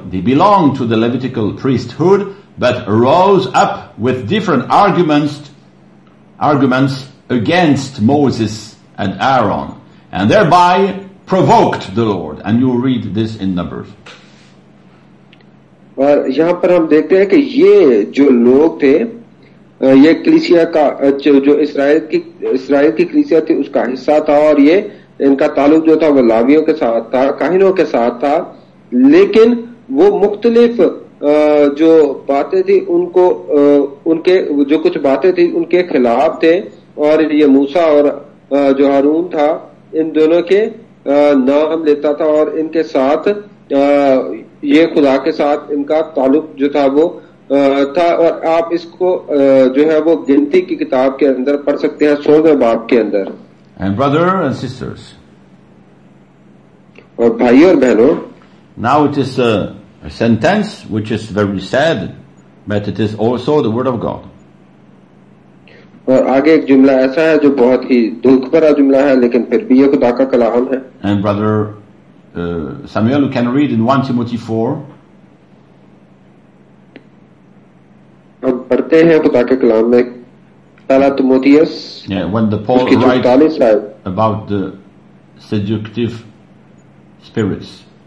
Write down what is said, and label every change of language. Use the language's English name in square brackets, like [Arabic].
[English] They belonged to the Levitical priesthood, but rose up with different arguments against Moses and Aaron, and thereby provoked the Lord. And you read this in Numbers. [Hindi] और यहां पर हम देखते हैं कि ये जो लोग थे, ये कलीसिया का जो इसराइल की कलीसिया थी उसका हिस्सा था, और ये इनका ताल्लुक जो था वो लावियों के साथ था, काहिनों के साथ था, लेकिन वो मुख्तलिफ जो बातें थी उनको उनके जो कुछ बातें थी उनके खिलाफ थे, और ये मूसा और जो हारून था इन दोनों के नाम लेता था और इनके साथ ये खुदा के साथ इनका ताल्लुक जो था वो था। और आप इसको जो है वो गिनती की किताब के अंदर पढ़ सकते हैं 16वें बाब के अंदर। [English] And brother and sisters, [Hindi] और भाई और बहनों, [English] now it is a sentence which is very sad, but it is also the word of God. [Hindi] और आगे एक जुमला ऐसा है जो बहुत ही दुख भरा जुमला है, लेकिन फिर भी ये खुदा का कलाम है। [English] And brother Samuel, you can read in 1 Timothy 4. [Hindi] अब पढ़ते हैं खुदा के कलाम में पहला Timothy, [English] when the Paul writes about the seductive spirits.